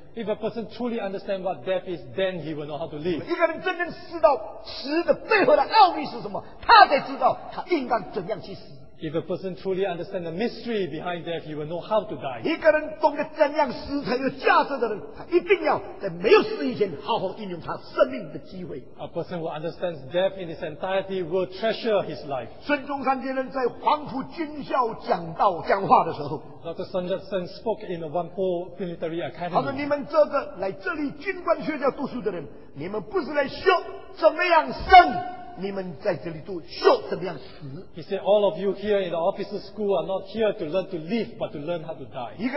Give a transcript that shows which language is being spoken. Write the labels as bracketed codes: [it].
[en] If a person truly understands what death is, then he will know how to live. [zh] 一个人真正知道死的背后的奥秘是什么，他才知道他应当怎样去死。 [en] If a person truly understands the mystery behind death, he will know how to die. [zh] 一个人懂得怎样死才有价值的人，他一定要在没有死以前好好运用他生命的机会。 [en] A person who understands death in its entirety will treasure his life. [zh] 孙中山先生在黄埔军校讲道讲话的时候， [en] Dr. Sun Yat-sen spoke in the Wanpo Military Academy. [zh] 他说：“你们这个来这里军官学校读书的人，你们不是来学怎么样生。” 你们在这里读学怎么样死。 [en] He said all of you here in the officer school are not here to learn to live but to learn how to die.